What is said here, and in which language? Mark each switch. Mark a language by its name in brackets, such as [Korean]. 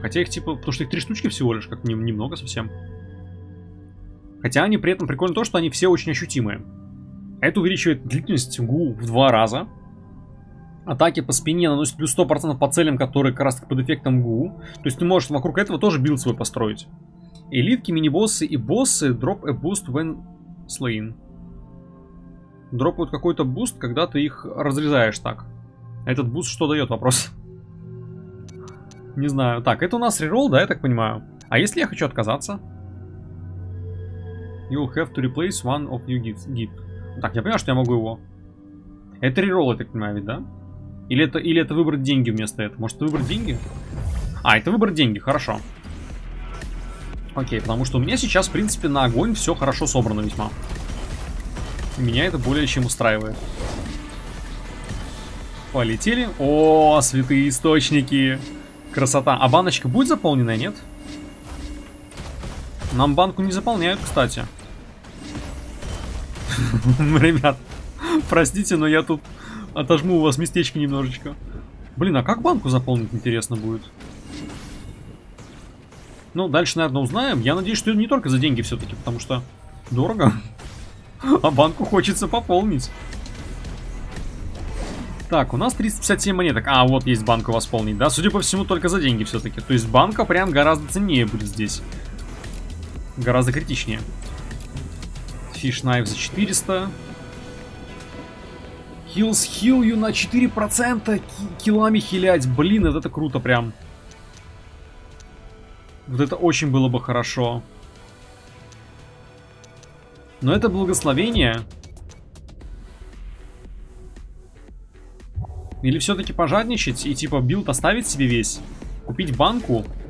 [Russian] Хотя их, типа, потому что их три штучки всего лишь, как-то немного совсем. Хотя они при этом прикольны то, что они все очень ощутимые. Это увеличивает длительность гу в два раза. Атаки по спине наносят плюс 100% по целям, которые как раз таки под эффектом гу. То есть ты можешь вокруг этого тоже билд свой построить. Элитки, мини-боссы и боссы [English] drop a boost when slain. [Russian] Дропают какой-то буст, когда ты их разрезаешь так. Этот буст что дает, вопрос? Не знаю. Так, это у нас рерол, да, я так понимаю. А если я хочу отказаться? [English] You'll have to replace one of your gift. [Russian] Так, я понимаю, что я могу его. Это рерол, я так понимаю, ведь, да? Или это выбрать деньги вместо этого? Может, это выбрать деньги? А, это выбрать деньги, хорошо. Окей, потому что у меня сейчас, в принципе, на огонь все хорошо собрано весьма. Меня это более чем устраивает. Полетели. О, святые источники. Красота. А баночка будет заполнена, нет? Нам банку не заполняют, кстати. Ребят, простите, но я тут отожму у вас местечко немножечко. Блин, а как банку заполнить, интересно будет? Ну, дальше, наверное, узнаем. Я надеюсь, что не только за деньги все-таки, потому что дорого. А банку хочется пополнить. Так, у нас 357 монеток. А, вот есть банку восполнить, да? Судя по всему, только за деньги все-таки. То есть банка прям гораздо ценнее будет здесь. Гораздо критичнее. Fish Knife за 400. [English] Heals heal you [Russian] на 4%. Килами хилять. Блин, это круто прям. Вот это очень было бы хорошо. Но это благословение. Или все-таки пожадничать и типа билд оставить себе весь? Купить банку?